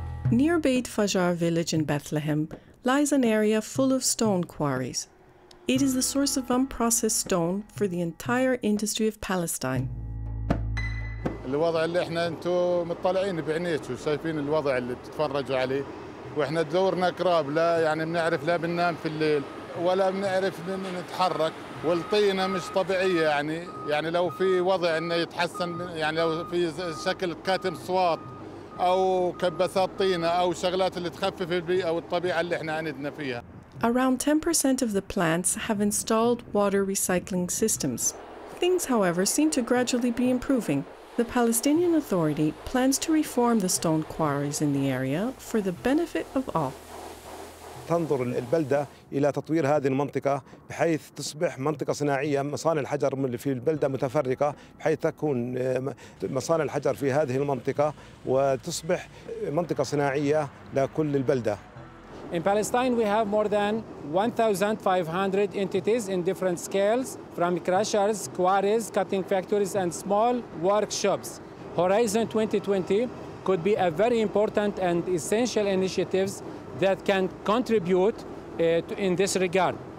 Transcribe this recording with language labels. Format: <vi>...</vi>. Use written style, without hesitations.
<en>Near Beit Fajar village in Bethlehem lies an area full of stone quarries. It is the source of unprocessed stone for the entire industry of Palestine.</en> <ar>الوضع اللي احنا انتو مطلعين بعينيتو شايفين الوضع اللي بتتفرجوا عليه واحنا دورنا كراب لا يعني بنعرف لا بننام في الليل ولا بنعرف نتحرك والطينة مش طبيعية يعني لو في وضع انه يتحسن يعني لو في شكل كاتم صوات او كبسات طينة او شغلات اللي تخفف البيئة والطبيعة اللي احنا عندنا فيها.</ar> <en>Around 10% of the plants have installed water recycling systems. Things, however, seem to gradually be improving. The Palestinian Authority plans to reform the stone quarries in the area for the benefit of all.</en> <ar>تنظر البلدة إلى تطوير هذه المنطقة بحيث تصبح منطقة صناعية مصانع الحجر اللي في البلدة متفرقة بحيث تكون مصانع الحجر في هذه المنطقة وتصبح منطقة صناعية لكل البلدة.</ar> <en>In Palestine, we have more than 1,500 entities in different scales, from crushers, quarries, cutting factories, and small workshops. Horizon 2020 could be a very important and essential initiative that can contribute in this regard.</en>